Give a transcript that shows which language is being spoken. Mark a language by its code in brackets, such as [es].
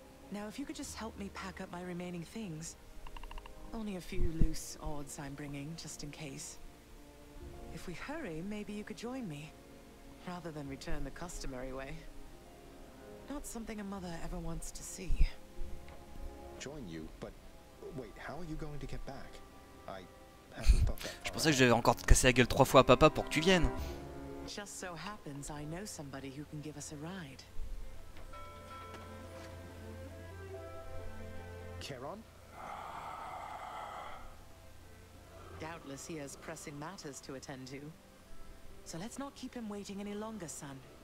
[en] Now, if you could just help me pack up my remaining things. Only a few loose odds I'm bringing, just in case. If we hurry, maybe you could join me, rather than return the customary way. Not something a mother ever wants to see. Join you, but wait, how are you going to get back? I haven't thought that. [fr] Je pensais que j'avais encore cassé la gueule trois fois à papa pour que tu viennes. [en] Just so happens I know somebody who can give us a ride. Charon? Doubtless he has pressing matters to attend to. So let's not keep him waiting any longer, son.